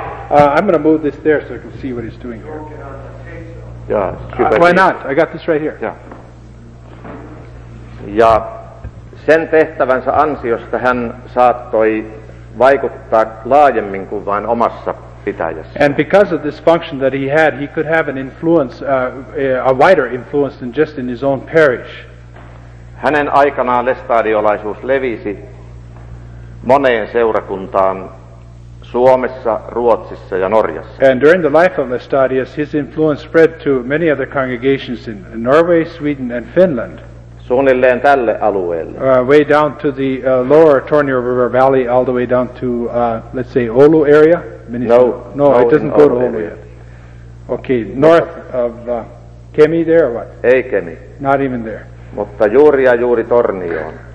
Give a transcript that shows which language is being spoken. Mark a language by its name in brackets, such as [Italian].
[English] I'm going to move this there so I can see what he's doing here. Why not? I got this right here. Yeah. [Finnish] Ja sen tehtävänsä ansiosta hän saattoi vaikuttaa laajemmin kuin vain omassa pitäjässä. [English] And because of this function that he had, he could have an influence, a wider influence than just in his own parish. [Finnish] Hänen aikanaan lestadiolaisuus levisi moneen seurakuntaan Suomessa, Ruotsissa ja Norjassa. [English] And during the life of Lestadius, his influence spread to many other congregations in Norway, Sweden and Finland. [Finnish] Suunnilleen tälle alueelle. [English] Way down to the lower Tornio River Valley, all the way down to, let's say, Oulu area? No, it doesn't go to Oulu yet. Okay, north of Kemi there or what? [Finnish] Ei Kemi. [English] Not even there. [Finnish] Mutta juuri ja juuri Tornioon.